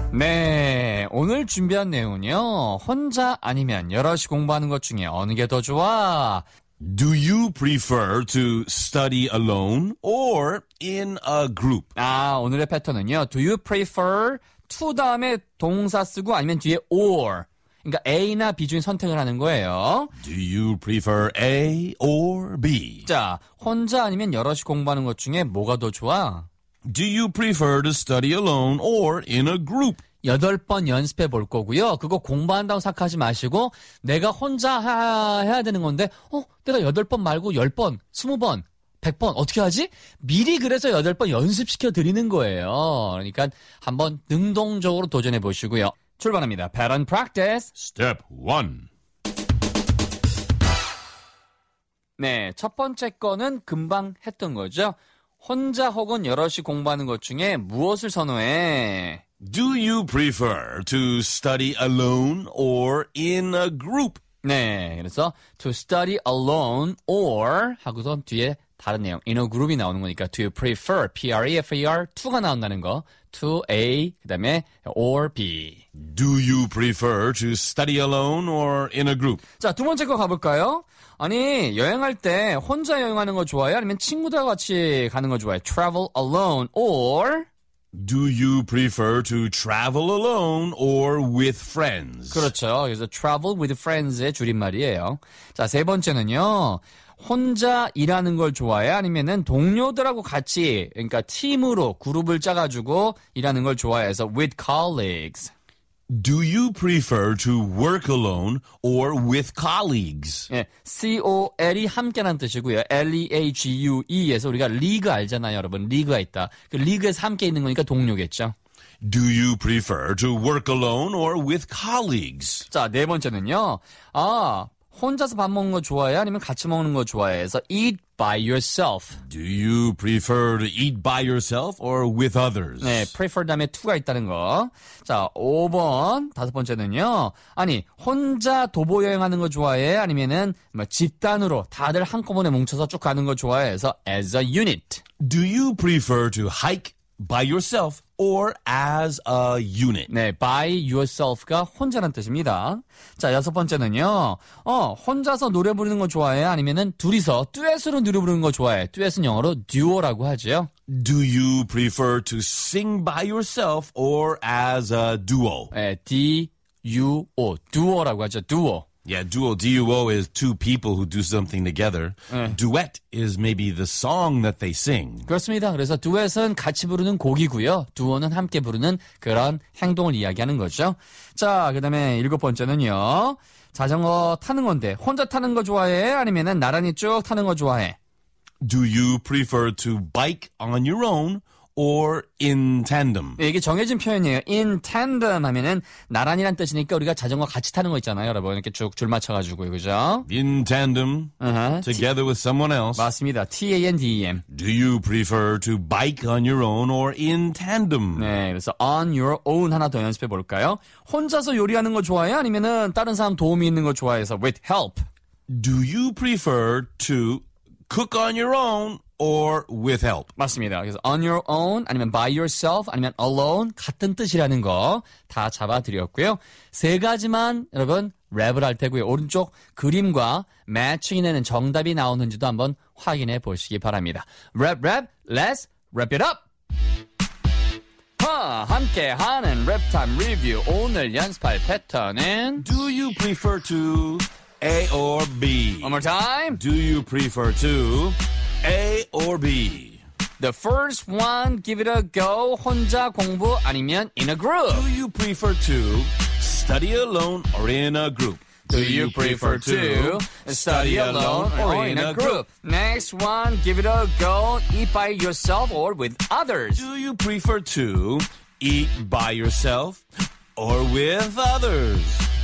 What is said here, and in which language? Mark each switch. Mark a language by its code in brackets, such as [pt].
[ko] 네, 오늘 준비한 내용은요, 혼자 아니면 여럿이 공부하는 것 중에 어느 게 더 좋아? [en] Do you prefer to study alone or in a group? [ko] 아, 오늘의 패턴은요, [en] do you prefer to [ko] 다음에 동사 쓰고 아니면 뒤에 or. 그러니까 A나 B 중에 선택을 하는 거예요. [en] Do you prefer A or B? [ko] 자, 혼자 아니면 여럿이 공부하는 것 중에 뭐가 더 좋아? [en] Do you prefer to study alone or in a group? [ko] 여덟 번 연습해 볼 거고요. 그거 공부한다고 생각하지 마시고 내가 혼자 해야 되는 건데 내가 여덟 번 말고 열 번, 스무 번, 백 번 어떻게 하지? 미리 그래서 여덟 번 연습시켜 드리는 거예요. 그러니까 한번 능동적으로 도전해 보시고요. 출발합니다. [en] Pattern practice. Step 1. [ko] 네, 첫 번째 거는 금방 했던 거죠. 혼자 혹은 여럿이 공부하는 것 중에 무엇을 선호해? [en] Do you prefer to study alone or in a group? [ko] 네, 그래서 [en] to study alone or [ko] 하고서 뒤에 다른 내용, [en] in a group [ko] 이 나오는 거니까 [en] do you prefer, [ko] P-R-E-F-E-R, 2가 나온다는 거, to A, 그 다음에 or B. [en] Do you prefer to study alone or in a group? [ko] 자, 두 번째 거 가볼까요? 아니, 여행할 때 혼자 여행하는 거 좋아해요? 아니면 친구들과 같이 가는 거 좋아해요? [en] Travel alone or... Do you prefer to travel alone or with friends? [ko] 그렇죠. 그래서 [en] travel with friends [ko] 의 줄임말이에요. 자, 세 번째는요. 혼자 일하는 걸 좋아해? 아니면은 동료들하고 같이, 그러니까 팀으로 그룹을 짜가지고 일하는 걸 좋아해서 [en] with colleagues. Do you prefer to work alone or with colleagues? [ko] 예, C-O-L-E 함께라는 뜻이고요. L-E-A-G-U-E에서 우리가 리그 알잖아요, 여러분. 리그가 있다. 그 리그에서 함께 있는 거니까 동료겠죠. [en] Do you prefer to work alone or with colleagues? [ko] 자, 네 번째는요. 아, 혼자서 밥 먹는 거 좋아해요? 아니면 같이 먹는 거 좋아해서 [en] eat by yourself. Do you prefer to eat by yourself or with others? [ko] 네, prefer 다음에 to가 있다는 거. 자, 5번, 다섯 번째는요. 아니, 혼자 도보 여행하는 거 좋아해? 아니면은 뭐 집단으로 다들 한꺼번에 뭉쳐서 쭉 가는 거 좋아해서 [en] as a unit. Do you prefer to hike by yourself or as a unit? [ko] 네, [en] by yourself [ko] 가 혼자란 뜻입니다. 자, 여섯 번째는요. 혼자서 노래 부르는 거 좋아해? 아니면은 둘이서 듀엣으로 노래 부르는 거 좋아해? 듀엣은 영어로 듀오라고 하죠. [en] Do you prefer to sing by yourself or as a duo? [ko] 네, D-U-O, 듀오라고 하죠, 듀오. [en] Yeah, duo, D-U-O is two people who do something together. [ko] 네. [en] Duet is maybe the song that they sing. [ko] 그렇습니다. 그래서 duet은 같이 부르는 곡이고요. duo는 함께 부르는 그런 행동을 이야기하는 거죠. 자, 그 다음에 일곱 번째는요. 자전거 타는 건데 혼자 타는 거 좋아해? 아니면 나란히 쭉 타는 거 좋아해? [en] Do you prefer to bike on your own or in tandem? [ko] 네, 이게 정해진 표현이에요. [en] In tandem [ko] 하면은 나란히란 뜻이니까 우리가 자전거 같이 타는 거 있잖아요, 여러분. 이렇게 쭉 줄 맞춰가지고요, 그죠? [en] In tandem, together with someone else. [ko] 맞습니다. T-A-N-D-E-M. [en] Do you prefer to bike on your own or in tandem? [ko] 네, 그래서 [en] on your own [ko] 하나 더 연습해 볼까요? 혼자서 요리하는 거 좋아해? 아니면은 다른 사람 도움이 있는 거 좋아해서 [en] with help? Do you prefer to cook on your own or with help? [ko] 맞습니다. 그래서 [en] on your own, [ko] 아니면 by yourself, 아니면 alone, 같은 뜻이라는 거 다 잡아드렸고요. 세 가지만 여러분 랩을 할 테고요. 오른쪽 그림과 매칭이 되는 정답이 나오는지도 한번 확인해 보시기 바랍니다. [en] Rap, rap, let's wrap it up! [ko] 함께하는 랩타임 리뷰. 오늘 연습할 패턴은 [en] Do you prefer to A or B? One more time. Do you prefer to A or B? The first one, give it a go. [ko] 혼자 공부 아니면 [en] in a group. Do you prefer to study alone or in a group? Do you prefer to study alone or in a group? Next one, give it a go. Eat by yourself or with others. Do you prefer to eat by yourself or with others?